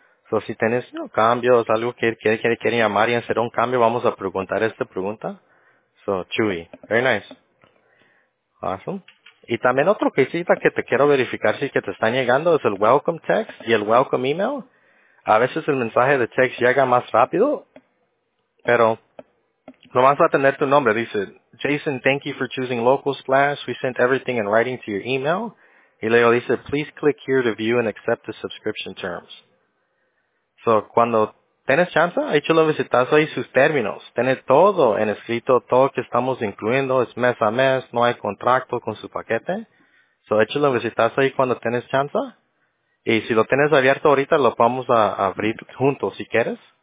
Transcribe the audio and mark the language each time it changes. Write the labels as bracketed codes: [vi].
[es] So, si tienes cambios, algo que quiere llamar y hacer un cambio, vamos a preguntar esta pregunta. So, Chuy. [en] Very nice. Awesome. [es] Y también otro quesita que te quiero verificar si es que te están llegando es el welcome text y el welcome email. A veces el mensaje de text llega más rápido, pero nomás va a tener tu nombre. Dice, [en] Jason, thank you for choosing Local Splash. We sent everything in writing to your email. [es] Y luego dice, [en] please click here to view and accept the subscription terms. [es] So, cuando tienes chance, échale un visitazo ahí sus términos. Tienes todo en escrito, todo que estamos incluyendo. Es mes a mes, no hay contrato con su paquete. So, échale un visitazo ahí cuando tienes chance. Y si lo tienes abierto ahorita, lo vamos a abrir juntos, si quieres.